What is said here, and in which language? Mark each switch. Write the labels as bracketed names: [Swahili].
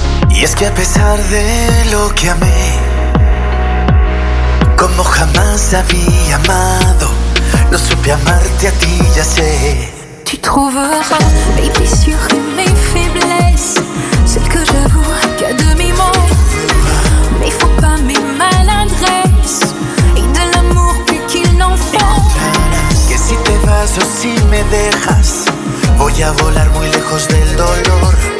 [Spanish] Y es que a pesar de lo que amé, como jamás había amado, no supe amarte a ti, ya sé. [French] Tu trouveras, baby, sur une de mes faiblesses, celle que j'avoue qu'à demi-mot. Mais faut pas mes maladresses et de l'amour plus qu'il n'en faut. [Spanish] Que si te vas o si me dejas, voy a volar muy lejos del dolor.